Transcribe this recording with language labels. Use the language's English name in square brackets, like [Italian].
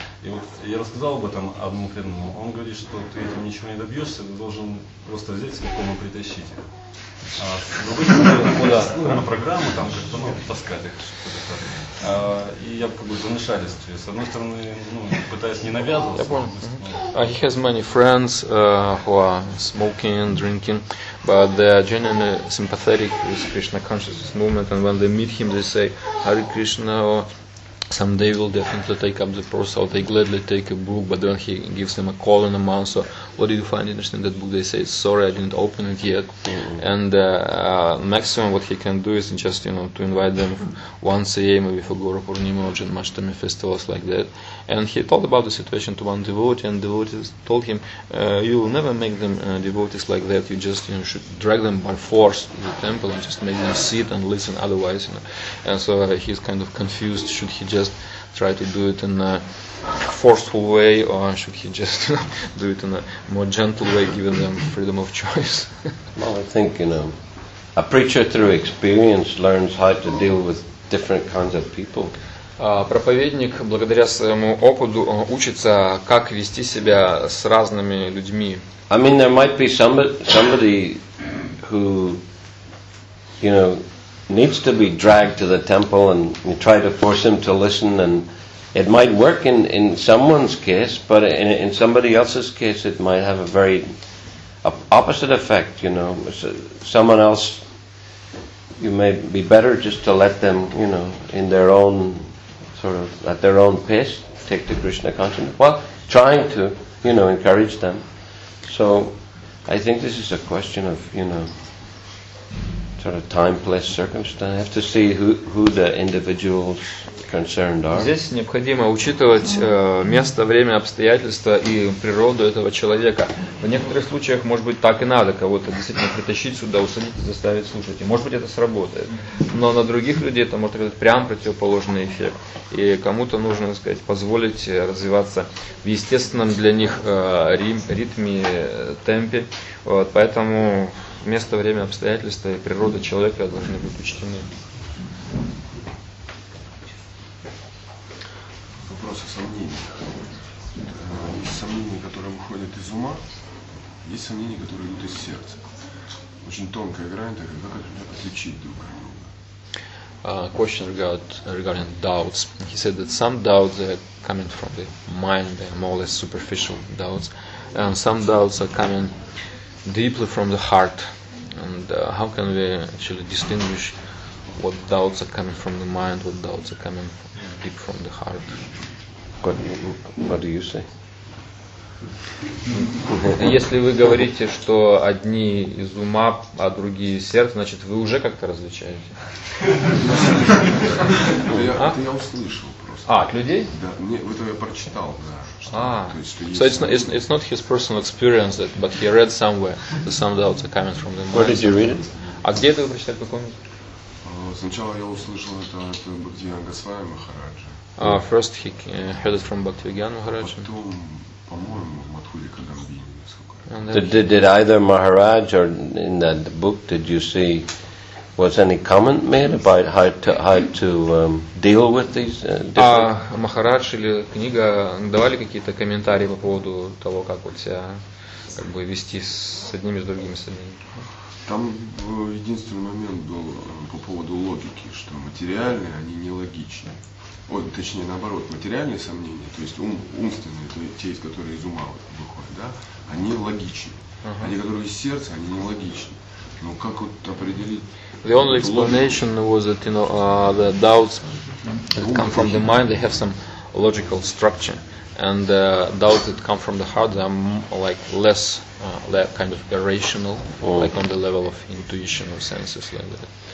[Russian] И вот я рассказал об этом одному преданному, он говорит, что ты этим ничего не добьешься, ты должен просто взять целиком и притащить их. А с другой стороны, на программу там как-то, ну, таскать их, что-то так. И я как бы в замешательстве. С одной стороны, ну, пытаюсь не навязываться. Я понял. [English] He has many friends who are smoking, drinking. But they are genuinely sympathetic with Krishna consciousness movement, and when they meet him, they say, Hare Krishna, or someday we'll definitely take up the process, or they gladly take a book, but then he gives them a call in a month, so what do you find interesting in that book? They say, sorry, I didn't open it yet. Mm-hmm. And maximum what he can do is just, you know, to invite them once a year, maybe for Guru Purnima or Janmashtami festivals like that. And he told about the situation to one devotee, and devotees told him, you will never make them devotees like that, you just, you know, should drag them by force to the temple and just make them sit and listen otherwise, you know. And so he's kind of confused, should he just try to do it in a forceful way, or should he just do it in a more gentle way, giving them freedom of choice? Well, I think, you know, a preacher through experience learns how to deal with different kinds of people. [Russian] Проповедник, благодаря своему опыту, учится, как вести себя с разными людьми. [English] I mean, there might be somebody who, you know, needs to be dragged to the temple and you try to force him to listen, and it might work in someone's case, but in somebody else's case it might have a very opposite effect, you know. Someone else, you may be better just to let them, you know, in their own sort of, at their own pace, take to Krishna consciousness while trying to, you know, encourage them. So I think this is a question of, you know, sort of time, place, circumstance. I have to see who the individuals concerned are. [Russian] Здесь необходимо учитывать место, время, обстоятельства и природу этого человека. В некоторых случаях, может быть, так и надо кого-то действительно притащить сюда, усадить и заставить слушать. И, может быть, это сработает. Но на других людей это может быть прям противоположный эффект. И кому-то нужно, так сказать, позволить развиваться в естественном для них ритме, темпе. Вот, поэтому место, время, обстоятельства и природа человека должны быть учтены. Вопрос о сомнениях. Есть сомнения, которые выходят из ума, есть сомнения, которые идут из сердца. Очень тонкая грань, так как это отличить друг от друга? [English] Question regarding doubts. He said that some doubts are coming from the mind, they are more or less superficial doubts, and some doubts are coming deeply from the heart. And how can we actually distinguish what doubts are coming from the mind, what doubts are coming deep from the heart? What do you say? [Russian] Если вы говорите, что одни из ума, а другие из сердца, значит, вы уже как-то различаете? Я услышал просто. А, от людей? Да, это я прочитал, да. [English] So it's not his personal experience, that, but he read somewhere that some doubts are coming from the mind. Where did you read it? [Russian] А где это вы прочитали, в каком? Сначала я услышал это от Бхактивиньян Госвами Махараджа. [English] First he heard it from Бхактивиньян Махарадж. [Russian] Потом, по-моему, в Матхуре Кадамбине. [English] Did either Maharaj or in that book did you see, was any comment made about how to deal with these different? [Russian] Maharaj или книга давали какие-то комментарии по поводу того, как вот себя как бы вести с одними, с другими, с одними? Там единственный момент был по поводу логики, что материальные, они нелогичны. Ой, точнее, наоборот, материальные сомнения, то есть умственные, то есть те, которые из ума выходят, да, они логичны. Uh-huh. Они, которые из сердца, они нелогичны. Но как вот определить? [English] The only explanation was that, you know, the doubts that come from the mind, they have some logical structure. And doubts that come from the heart, they are like less, kind of irrational, like on the level of intuition or senses like that.